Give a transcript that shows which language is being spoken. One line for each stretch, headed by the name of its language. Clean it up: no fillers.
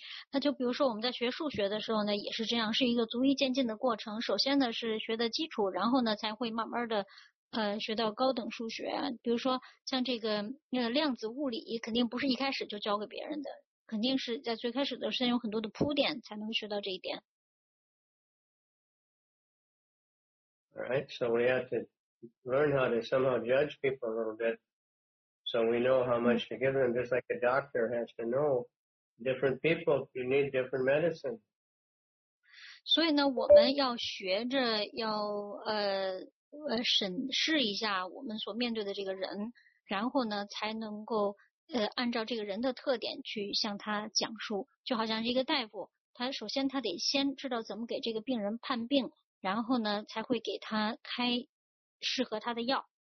Chinese: 那就比如说我们在学数学的时候呢，也是这样，是一个逐一渐进的过程。首先呢是学的基础，然后呢才会慢慢的学到高等数学，比如说像这个量子物理，肯定不是一开始就教给别人的，肯定是在最开始的时候有很多的铺垫才能学到这一点。
English: All right, so we have to learn how to somehow judge people a little bit so we know how much to give them, just like a doctor has to know different people, you need different medicine.
Chinese: 所以呢，我们要学着要审视一下我们所面对的这个人，然后呢才能够按照这个人的特点去向他讲述，就好像一个大夫，他首先他得先知道怎么给这个病人判病，然后呢才会给他开适合他的药。